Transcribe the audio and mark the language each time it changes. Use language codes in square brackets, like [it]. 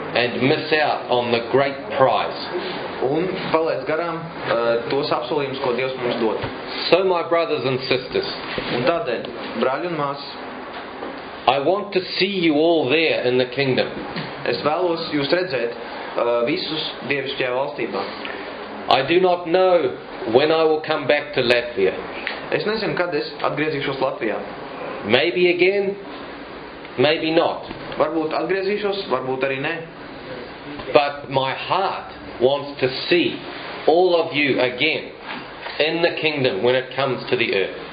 [en] And miss out on the great prize. [lv] Un palēc garām tos apsolījumus, ko Dievs mums dod. [en] So my brothers and sisters. [lv] Un tādēļ, brāļi un māsas, [en] I want to see you all there in the kingdom. [lv] Es vēlos jūs redzēt visus Dievišķajā valstībā. [en] I do not know when I will come back to Latvia. [lv] Es nezinu, kad es atgriezīšos Latvijā. [en] Maybe again, maybe not. [lv] Varbūt atgriezīšos, varbūt arī ne. [en] But my heart wants to see all of you again in the kingdom when it comes to the earth.